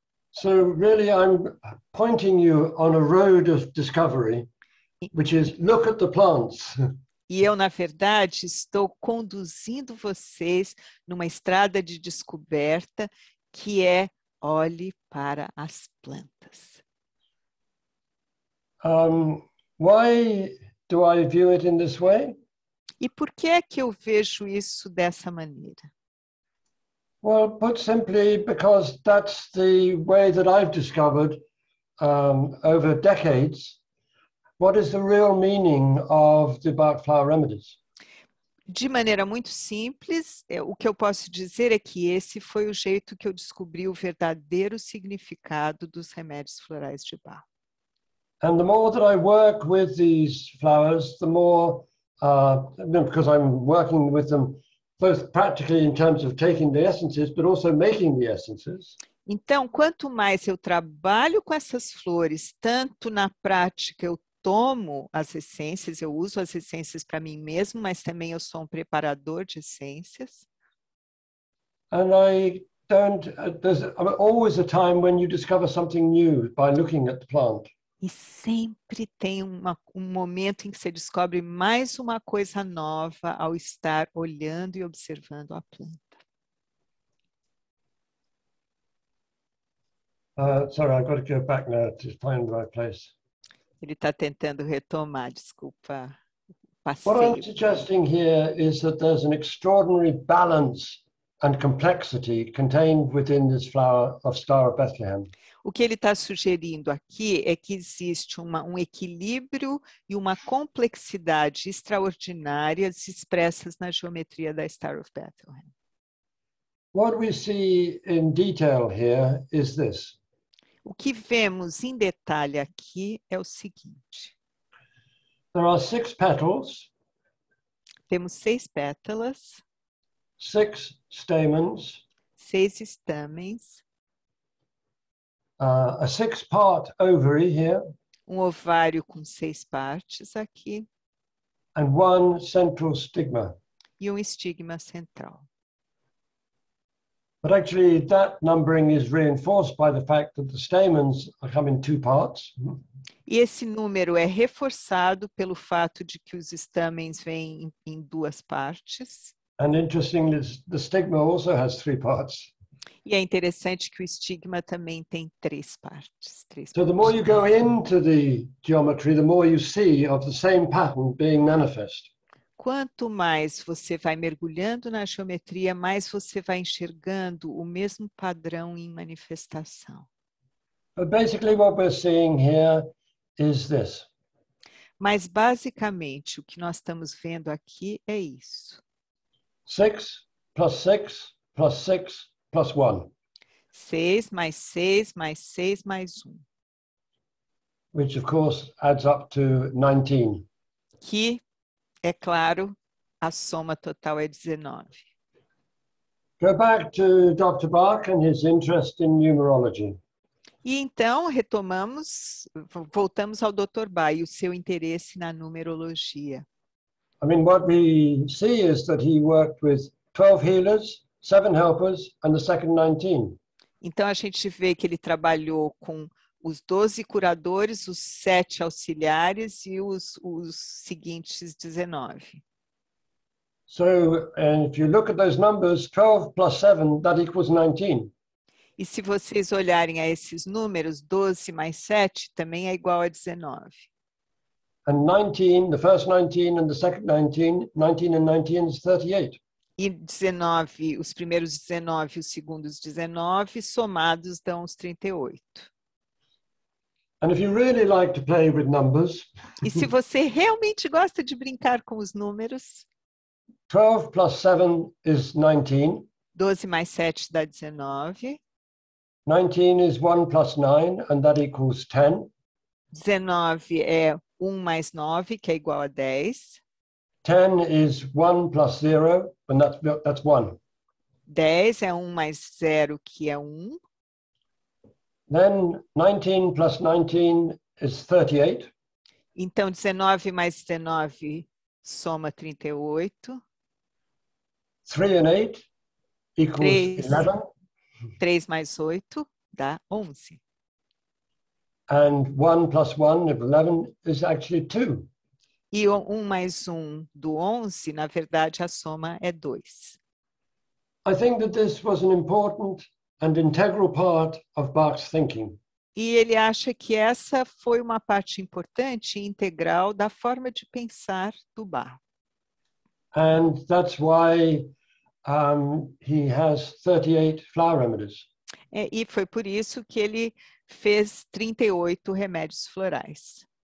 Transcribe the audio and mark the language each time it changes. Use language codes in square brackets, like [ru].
[en] So really I'm pointing you on a road of discovery, which is look at the plants. [pt] E eu, na verdade, estou conduzindo vocês numa estrada de descoberta que é olhe para as plantas. [en] Why do I view it in this way? [pt] E por que é que eu vejo isso dessa maneira? [en] Well, put simply, because that's the way that I've discovered over decades. What is the real meaning of the Bach flower remedies? [pt] De maneira muito simples, o que eu posso dizer é que esse foi o jeito que eu descobri o verdadeiro significado dos remédios florais de Bach. [en] And the more that I work with these flowers, the more, because I'm working with them both practically in terms of taking the essences, but also making the essences. [pt] Então, quanto mais eu trabalho com essas flores, tanto na prática eu tomo as essências, eu uso as essências para mim mesmo, mas também eu sou um preparador de essências. [en] And I don't, there's always a time when you discover something new by looking at the plant. [pt] E sempre tem um momento em que você descobre mais uma coisa nova ao estar olhando e observando a planta. [en] Sorry, I've got to go back now to find the right place. [pt] Ele está tentando retomar, desculpa, passeio. [en] What I'm suggesting here is that there's an extraordinary balance and complexity contained within this flower of Star of Bethlehem. [pt] O que ele está sugerindo aqui é que existe um equilíbrio e uma complexidade extraordinárias expressas na geometria da Star of Bethlehem. [en] What we see in detail here is this. [pt] O que vemos em detalhe aqui é o seguinte. [en] There are six petals. [pt] Temos seis pétalas. [en] Six stamens. [pt] Seis estames. [en] A six-part ovary here. [pt] Um ovário com seis partes aqui. [en] And one central stigma. [pt] E um estigma central. [en] But actually, that numbering is reinforced by the fact that the stamens come in two parts. [pt] E esse número é reforçado pelo fato de que os estames vêm em duas partes. [en] And interestingly, the stigma also has three parts. [pt] E é interessante que o estigma também tem três partes. [en] So the more you go into the geometry, the more you see of the same pattern being manifest. [pt] Quanto mais você vai mergulhando na geometria, mais você vai enxergando o mesmo padrão em manifestação. [en] But basically what we're seeing here is this. [pt] Mas basicamente o que nós estamos vendo aqui é isso. [en] 6 plus 6 plus 6 plus 1. [pt] 6 mais 6 mais 6 mais 1. [en] Which of course adds up to 19. [pt] Que é claro, a soma total é 19. [en] Go back to Dr. Bach and his interest in numerology. [pt] E então, retomamos, voltamos ao Dr. Bach e o seu interesse na numerologia. [en] I mean, what we see is that he worked with 12 healers, 7 helpers, and the second 19. [pt] Então, a gente vê que ele trabalhou com os 12 curadores, os 7 auxiliares e os seguintes 19. [en] So, and if you look at those numbers, 12 plus 7, that equals 19. [pt] E se vocês olharem a esses números, 12 mais 7 também é igual a 19. [en] And 19, the first 19 and the second 19, 19 and 19 is 38. [pt] E 19, os primeiros 19 e os segundos 19, somados dão os 38. [en] And if you really like to play with numbers, [pt] e se você realmente gosta de brincar com os números, [en] 12 plus 7 is 19. [pt] 12 mais 7 dá 19. [en] 19 is 1 plus 9, and that equals 10. [pt] 19 é 1 mais 9, que é igual a 10. [en] 10 is 1 plus 0, and that's 1. [pt] 10 é 1 mais 0, que é 1. [en] Then 19 plus 19 is 38. [pt] Então, 19 mais 19 soma 38. [en] 3 and 8 equals 11. [pt] 3 mais 8 dá 11. [en] And 1 plus 1 of 11 is actually 2. [pt] E 1 mais 1 do 11, na verdade, a soma é 2. [en] I think that this was an important and integral part of Bach's thinking. [pt] E ele acha que essa foi uma parte importante e integral da forma de pensar do Bach. [en] And that's why he has 38 flower remedies. [pt] E foi por isso que ele fez 38 remédios florais.